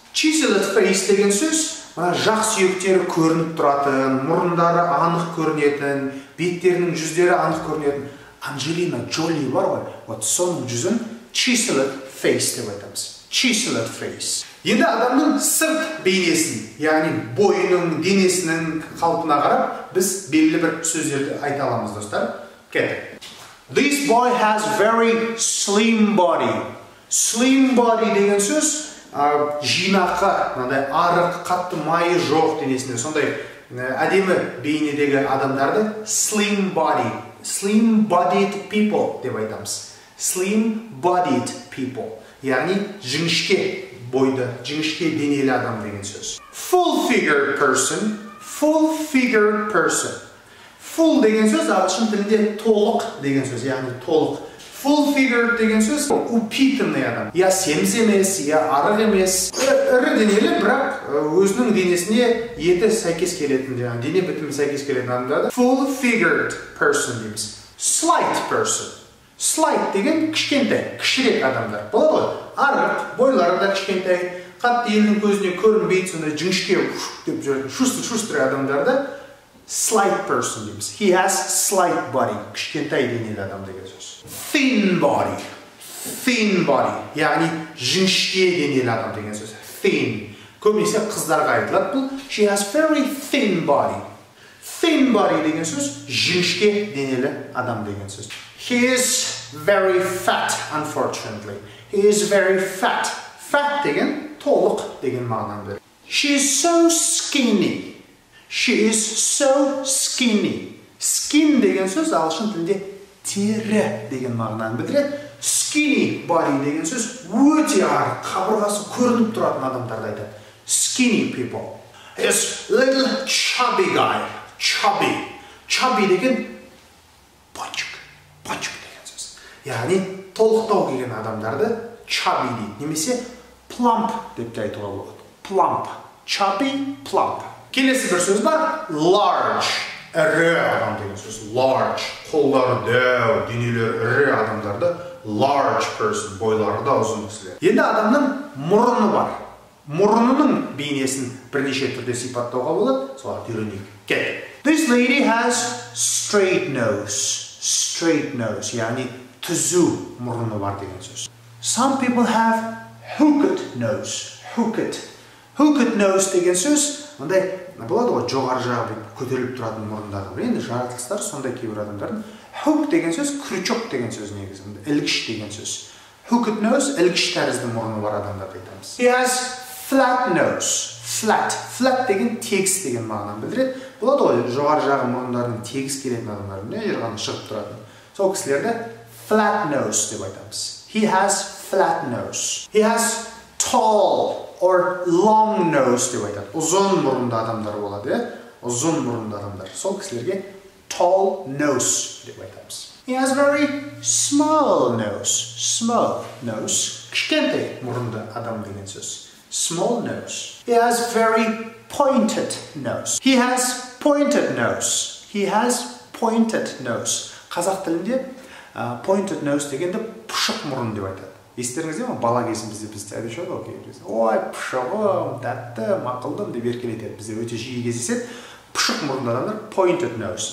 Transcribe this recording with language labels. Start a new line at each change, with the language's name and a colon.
English: Chiseled face
Kazakh: деген сөз жақ сүйектері көрініп тұратын, мұрындары анық көрінетін, беттерінің жүздері анық көрінетін. Анджелина Джоли бар ғой, вот соның жүзін
English: chiseled face
Kazakh: деп айтамыз.
English: Chiseled face.
Kazakh: Енді адамның сырт бейнесін, яғни бойының, денесінің қалпына қарап, біз белгілі бір сөздерді айта аламыз, достар. Кеттік.
English: This boy has very slim body. Slim body
Kazakh: деген сөз жинақы, мынадай арық, қатты майы жоқ денесінде сондай әдемі бейнедегі адамдарды
English: slim body, slim bodied people
Kazakh: деп айтамыз.
English: Slim bodied people.
Kazakh: Яғни жіңішке бойды, жіңішке денелі адам деген сөз.
English: Full figured person, full figured person.
Kazakh: Full деген сөз ағылшын тілінде толық деген сөз, яғни толық.
English: Full figure
Kazakh: деген сөз упитанный адам. Я семіз емес, я арық емес. Ірі денелі, бірақ өзінің денесіне еті сәйкес келетін, яғни дене бітімі сәйкес келетін адамдарды
English: full figured person
Kazakh: дейміз.
English: Slight person.
Kazakh: Slight деген кішкентай, кішірек адамдар. Болады ғой. Арық, бойлары да кішкентай, қатты елдің көзіне көрінбейді, сондай жіңішке деп жүретін шустрый адамдарды
English: slight person
Kazakh: дейміз.
English: He has slight body.
Kazakh: Кішкентай денелі адам деген сөз.
English: Thin body. Thin body.
Kazakh: Яғни жіңішке денелі адам деген сөз.
English: Thin.
Kazakh: Көбінесе қыздарға айтылады бұл.
English: She has very thin body. Thin body
Kazakh: деген сөз жіңішке денелі адам деген сөз.
English: He is very fat, unfortunately. He is very fat.
Kazakh: Fat деген толық деген мағынан бір.
English: She is so skinny. She is so skinny.
Kazakh: Skin деген сөз ағылшын тілінде тері деген мағынаны білдіреді.
English: Skinny body
Kazakh: деген сөз өте арық, қабырғасы көрініп тұратын адамдарды айтады.
English: Skinny people. He is little chubby guy. Chubby.
Kazakh: Chubby деген бочық. Бочық деген сөз. Яғни толықтау келген адамдарды chubby дейді. Немесе plump деп те айтуға болады.
English: Plump. Chubby, plump.
Kazakh: Келесі бір сөз бар, large, ірі адам деген сөз, large, қолдары дәу, денелері ірі адамдарды,
English: large person,
Kazakh: бойлары да ұзын кісілер. Енді адамның мұрыны бар, мұрынының бейнесін бірнеше түрде сипаттауға болады, соларды үйренейік, кеттік.
English: This lady has straight nose,
Kazakh: яғни түзу мұрыны бар деген сөз.
English: Some people have hooked nose, hooked.
Kazakh: Hooked nose деген сөз, ондай болады ғой, жоғары жағы көтеріліп тұратын мұрындағы бір. Енді жаратылыстар сондай кейбір адамдардың. Hook деген сөз крючок деген сөз негізі, ілгіш деген сөз.
English: Hooked nose
Kazakh: ілгіш тәрізді мұрыны бар адамдарды айтамыз.
English: He has flat nose. Flat. Flat
Kazakh: деген тегіс деген мағынаны білдіреді. болады ғой, жоғары жағы мұрындарын тегіс келетін адамдардың, не жерге шығып тұратын. Сол кісілерді
English: flat nose
Kazakh: деп айтамыз.
English: He has flat nose. He has tall or long nose
Kazakh: деп айтады. Ұзын мұрынды адамдар болады, е? Ұзын мұрынды адамдар. Сол кісілерге
English: tall nose
Kazakh: деп айтамыз.
English: He has very small nose. Small nose.
Kazakh: Кішкентай мұрынды адам деген сөз.
English: Small nose. He has very pointed nose. He has pointed nose. He has pointed nose.
Kazakh: Қазақ тілінде
English: pointed nose
Kazakh: дегенді пұшық мұрын деп айтады. Естеріңізде ма, бала кезімізде біз тәрбие шығады, окей. Ой, пұшығым, тәтті, мақұлдым деп еркелетеді. Бізде өте жиі кездеседі. Пұшық мұрынды адамдар
English: pointed nose.